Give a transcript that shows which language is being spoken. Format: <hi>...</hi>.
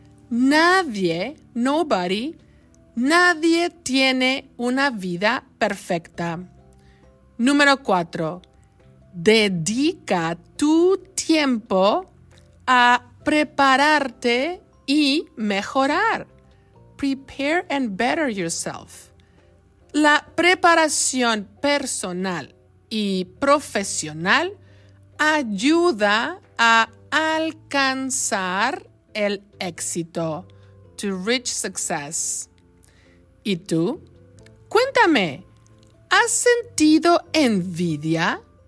<es>Nadie, nobody, nadie tiene una vida perfecta. Número 4. Dedica tu tiempo a prepararte y mejorar.</es> <en>Prepare and better yourself.</en> <es>La preparación personal y profesional ayuda a alcanzar el éxito,</es> <en>to reach success.</en> <es>¿Y tú? Cuéntame, ¿has sentido envidia?</es>